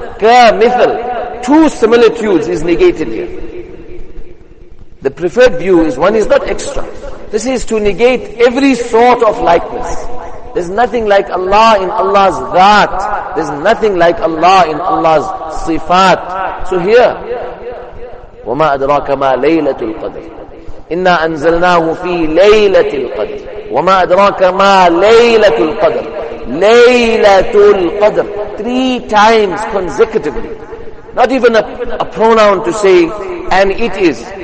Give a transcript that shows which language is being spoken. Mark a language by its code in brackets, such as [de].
[en] Ka mithil, two similitudes is negated here. The preferred view is one is not extra. This is to negate every sort of likeness. There's nothing like Allah in Allah's dhat. There's nothing like Allah in Allah's sifat. So here, [ar] وَمَا أَدْرَاكَ مَا لَيْلَةُ الْقَدْرِ إنا أنزلناه في ليلة القدر وما أدراك ما ليلة القدر ليلة القدر. [en] Three times consecutively, not even a pronoun to say, and it is.